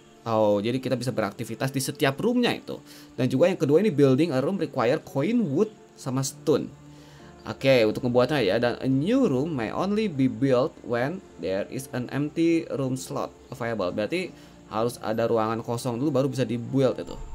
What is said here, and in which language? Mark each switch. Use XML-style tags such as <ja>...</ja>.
<id>Oh, jadi kita bisa beraktivitas di setiap roomnya itu. Dan juga yang kedua ini,</id> <en>building a room require coin, wood,</en> <id>sama stone. Oke, okay, untuk membuatnya ya.</id> <en>Dan a new room may only be built when there is an empty room slot available.</en> <id>Berarti harus ada ruangan kosong dulu baru bisa dibuild itu.</id>